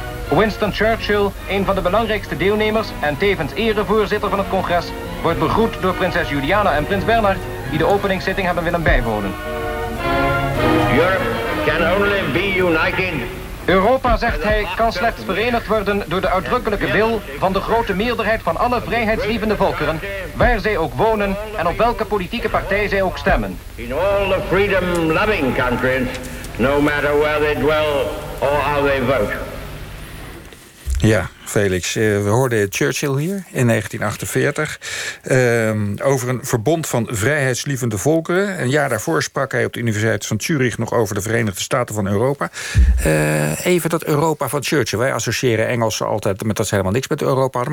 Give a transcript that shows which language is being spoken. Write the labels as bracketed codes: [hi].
[nl] Winston Churchill, een van de belangrijkste deelnemers en tevens erevoorzitter van het congres, wordt begroet door prinses Juliana en prins Bernard, die de openingszitting hebben willen bijwonen. [en] Europe can only be united. [nl] Europa, zegt hij, kan slechts verenigd worden door de uitdrukkelijke wil van de grote meerderheid van alle vrijheidslievende volkeren, waar zij ook wonen en op welke politieke partij zij ook stemmen. [en] In all the freedom-loving countries, no matter where they dwell or how they vote. [nl] Ja, Felix, we hoorden Churchill hier in 1948 over een verbond van vrijheidslievende volkeren. Een jaar daarvoor sprak hij op de Universiteit van Zurich nog over de Verenigde Staten van Europa. Even dat Europa van Churchill. Wij associëren Engelsen altijd met dat ze helemaal niks met Europa hadden.